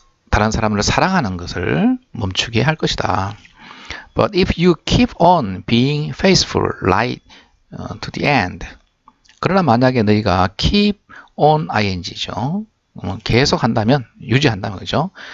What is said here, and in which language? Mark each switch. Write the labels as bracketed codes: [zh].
[ko] 다른 사람을 사랑하는 것을 멈추게 할 것이다. [en] But if you keep on being faithful right to the end. [ko] 그러나 만약에 너희가 keep on ing죠. 계속 한다면, 유지한다면, 그죠?